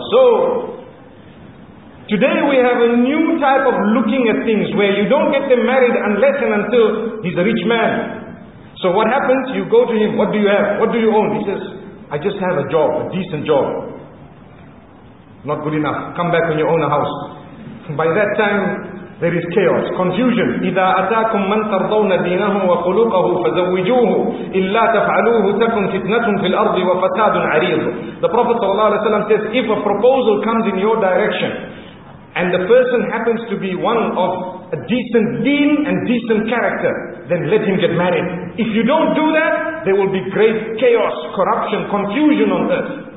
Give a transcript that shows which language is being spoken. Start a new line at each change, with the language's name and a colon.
English: So, today we have a new type of looking at things where you don't get them married unless and until he's a rich man. So what happens? You go to him, what do you have? What do you own? He says, I just have a job, a decent job. Not good enough. Come back when you own a house. By that time, There is chaos, confusion.
Arabic: إذا أتاكم من ترضون دينه وخلقه فزوجوه إلا تفعلوه تكن فتنة في الأرض وفساد عريض.
English: The Prophet
Arabic: صلى الله عليه وسلم
English: says, if a proposal comes in your direction, and the person happens to be one of a decent deen and decent character, then let him get married. If you don't do that, there will be great chaos, corruption, confusion on earth.